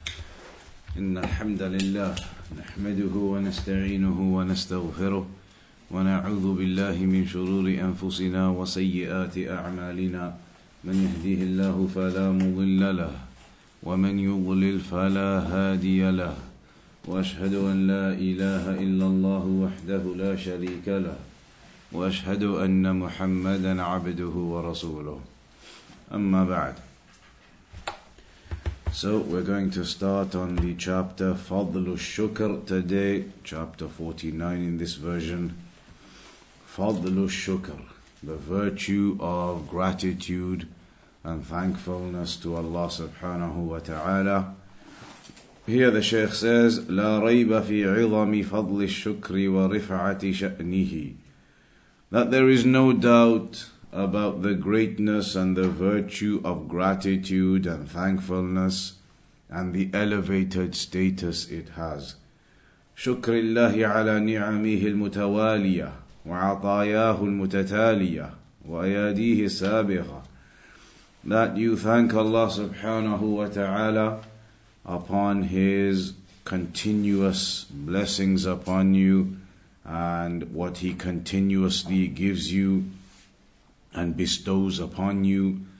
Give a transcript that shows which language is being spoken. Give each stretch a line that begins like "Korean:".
Arabic: إن الحمد لله نحمده ونستعينه ونستغفره ونعوذ بالله من شرور أنفسنا وسيئات أعمالنا من يهديه الله فلا مضل له ومن يضلل فلا هادي له وأشهد أن لا إله إلا الله وحده لا شريك له وأشهد أن محمدا عبده ورسوله أما بعد.
English: So we're going to start on the chapter Fadlu Shukr today, chapter 49 in this version. Fadlu Shukr, the virtue of gratitude and thankfulness to Allah subhanahu wa ta'ala. Here the Shaykh says,
Arabic: لا ريب في عظم فضل الشكر ورفعة شأنه.
English: That there is no doubt about the greatness and the virtue of gratitude and thankfulness and the elevated status it has.
Arabic: شكر الله على نعمه المتوالية وعطاياه المتتالية وأياديه السابغة.
English: That you thank Allah subhanahu wa ta'ala upon His continuous blessings upon you and what He continuously gives you and bestows upon you.